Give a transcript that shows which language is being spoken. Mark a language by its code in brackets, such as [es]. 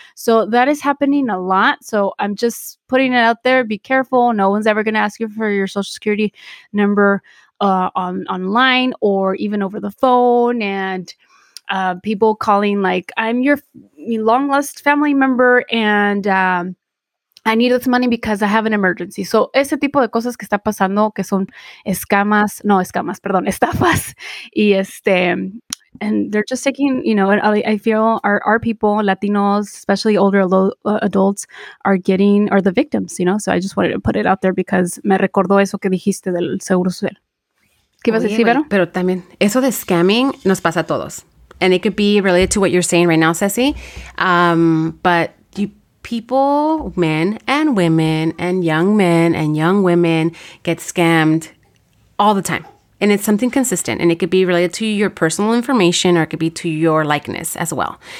[en] So that is happening a lot. So I'm just putting it out there. Be careful. No one's ever going to ask you for your social security number, online or even over the phone. And people calling like, I'm your long lost family member and I need this money because I have an emergency. [es] So ese tipo de cosas que está pasando, que son escamas, no escamas, perdón, estafas y [en] And they're just taking, you know, I feel our people, Latinos, especially older adults, are getting, are the victims, you know? So I just wanted to put it out there because [es] me recordó eso que dijiste del seguro social. ¿Qué ibas a decir, Vero? Pero también, eso de scamming nos pasa a todos. [en] And it could be related to what you're saying right now, Ceci. But you, people, men and women and young women get scammed all the time. And it's something consistent, and it could be related to your personal information, or it could be to your likeness as well.